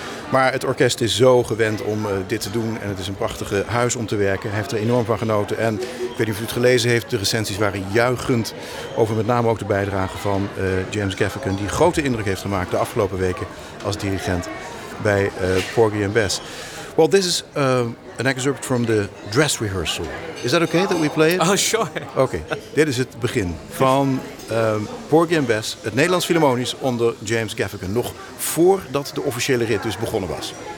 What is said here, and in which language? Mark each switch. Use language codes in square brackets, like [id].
[nl] Maar het orkest is zo gewend om dit te doen. En het is een prachtige huis om te werken. Hij heeft er enorm van genoten. En ik weet niet of u het gelezen heeft, de recensies waren juichend over met name ook de bijdrage van James Gaffigan, die grote indruk heeft gemaakt de afgelopen weken als dirigent bij Porgy and Bess. [en] Well, this is an excerpt from the dress rehearsal. Is that okay that we play it? Oh, sure. [nl] Okay, dit is het begin van Porgy and Bess, het Nederlands Philharmonisch onder James Gaffigan. Nog voordat de officiële rit dus begonnen was.